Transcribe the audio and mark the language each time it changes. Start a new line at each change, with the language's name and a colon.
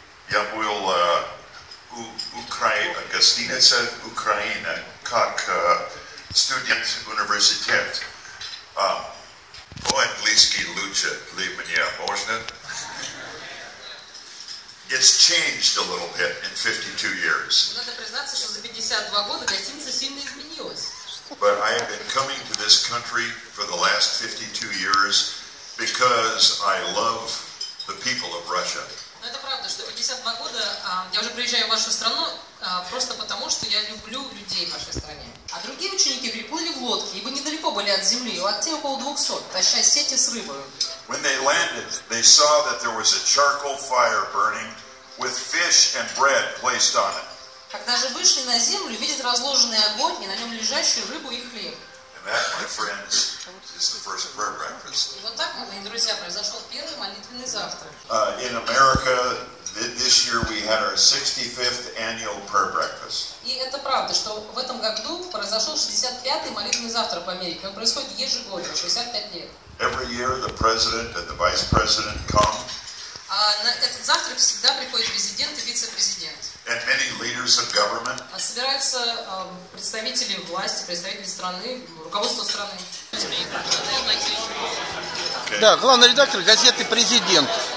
Russian: Я был в гостинице Украины как студент университета. Мой английский лучше для меня, можно?
English: It's changed a little bit in 52 years.
Russian: Надо признаться, что за 52 года гостиница сильно изменилась.
English: But I have been coming to this country for the last 52 years because I love the people of Russia.
Russian: Но это правда, что 52 года я уже приезжаю в вашу страну просто потому, что я люблю людей в вашей стране. А другие ученики приплыли в лодке, ибо недалеко были от земли, локтей около 200, тащая сети с рыбой.
English: When they landed, they saw that there was a charcoal fire burning with fish and bread placed on it.
Russian: Когда же вышли на землю, видят разложенный огонь и на нем лежащую рыбу и хлеб.
English: That, my friends, is the first prayer breakfast.
Russian: Вот так, мои друзья, произошел первый молитвенный завтрак.
English: In America, this year we had our 65th annual prayer breakfast.
Russian: И это правда, что в этом году произошел 65-й молитвенный завтрак в Америке. Он происходит ежегодно, 65 лет.
English: Every year the president and the vice president come.
Russian: На этот завтрак всегда приходит президент и вице-президент.
English: And many leaders of government.
Russian: Собираются представители власти, представители страны, руководство страны.
English: Okay.
Russian: Да, главный редактор газеты «Президент».